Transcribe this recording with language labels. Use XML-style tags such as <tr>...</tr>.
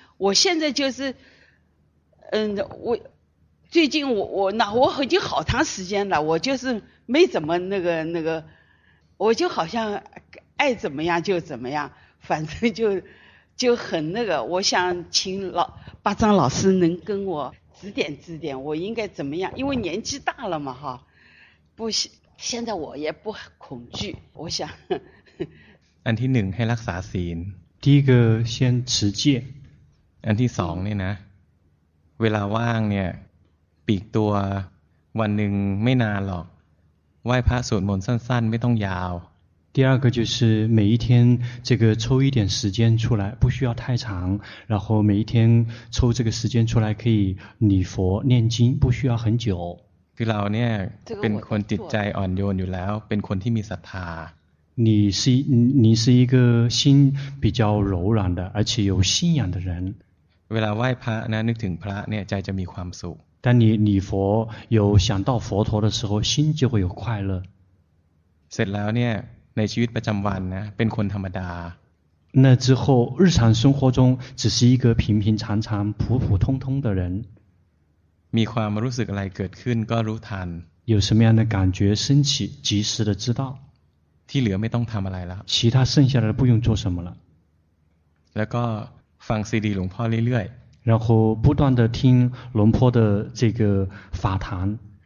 <zh>我现在就是我最近我已经好长时间了，我就是没怎么那个我就好像爱怎么样就怎么样，反正就很那个。我想请巴章老师能跟我指点指点，我应该怎么样，因为年纪大了嘛哈，不现在我也不恐惧，我想</zh> <th>อันที่หนึ่งให้รักษาศีล</th> <zh>第一个先持戒，</zh> <th>อันที่สองเนี่ยนะเวลาว่างเนี่ยปีกตัววันหนึ่งไม่นานหรอกไหว้พระสวดมนต์สั้นๆไม่ต้องยาว</th> <zh>第二个就是每一天这个抽一点时间出来，不需要太长，然后每一天抽这个时间出来可以礼佛念经，不需要很久。</zh> <th>คือเราเนี่ยเป็นคนจิตใจอ่อนโยนอยู่แล้วเป็นคนที่มีศรัทธา</th> <zh>你是一个心比较柔软的而且有信仰的人。</zh> <th>เวลาไหว้พระนะนึกถึงพระเนี่ยใจจะมีความสุข。</th> <zh>当你礼佛有想到佛陀的时候心就会有快乐。</zh> <th>เสร็จแล้วเนี่ยในชีวิตประจำวันนะเป็นคนธรรมดา</th> <zh>那之后日常生活中只是一个平平常常普普通通的人</zh> <th>มีความรู้สึกอะไรเกิดขึ้นก็รู้ทัน</th> <zh>有什么样的感觉升起及时的知道</zh> <th>ที่เหลือไม่ต้องทำอะไรแล้ว</th> <zh>其他剩下的不用做什么了</zh> <th>แล้วก็ฟังซีดีหลวงพ่อเรื่อย</th> <zh>ๆ然后不断的听龙坡的这个法坛</zh>